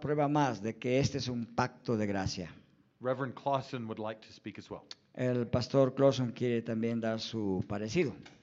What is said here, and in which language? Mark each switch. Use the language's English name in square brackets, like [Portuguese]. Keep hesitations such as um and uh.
[Spanish] prueba más de que este es un pacto de gracia. [English] Reverend Claussen would like to speak as well. [Spanish] El pastor Clausen quiere también dar su parecido.